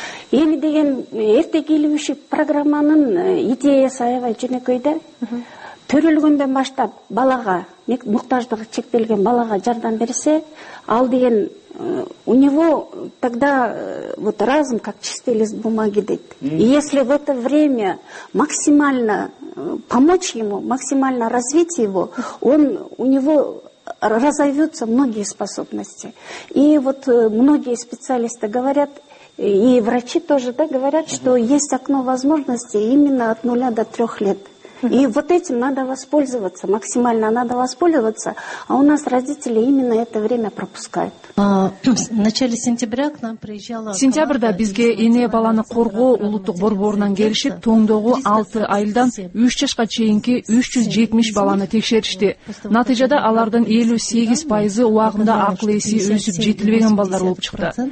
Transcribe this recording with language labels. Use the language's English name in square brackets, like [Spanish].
[Kyrgyz] Эми деген эрте келүүчү программанын идеясы аябай жөнөкөй да. Төрөлгөндөн баштап балага, муктаждыгы чектелген балага жардам берсе, ал деген [Russian] у него тогда вот разум как чистый лист бумаги [Kyrgyz] дейт. [Russian] И если в это время максимально помочь ему, максимально развить его, у него разовьются многие способности. И вот многие специалисты говорят, и врачи тоже, да, говорят, что есть окно возможностей именно от 0 до 3 лет. И вот этим надо воспользоваться, максимально надо воспользоваться, а у нас родители именно это время пропускают. [Kyrgyz] Сентябрда бизге эне баланы коргоо улуттук борборунан келишип, тоңдогу 6 айылдан 3 жашка чейинки 370 баланы текшеришти. Натыйжада алардын 58% убагында акыл эси өсүп жетилбеген балдар болуп чыкты.